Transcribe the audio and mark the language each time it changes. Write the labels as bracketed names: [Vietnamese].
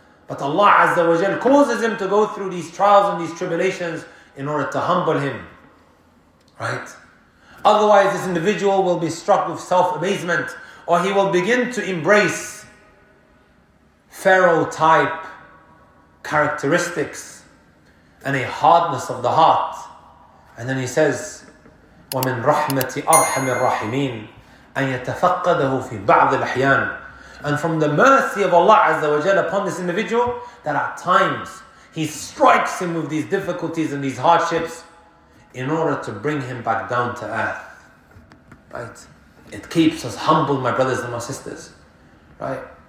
[English] But Allah Azza wa Jal causes him to go through these trials and these tribulations in order to humble him. Right? Otherwise, this individual will be struck with self-abasement. or he will begin to embrace Pharaoh type characteristics and a hardness of the heart. And then he says, [Arabic] وَمِنْ رَحْمَةِ أَرْحَمِ الرَّحِمِينَ أَنْ يَتَفَقَّدَهُ فِي بَعْضِ الْأَحْيَانِ. [English] And from the mercy of Allah Azza wa Jalla upon this individual, that at times he strikes him with these difficulties and these hardships in order to bring him back down to earth. Right? It keeps us humble, my brothers and my sisters. Right?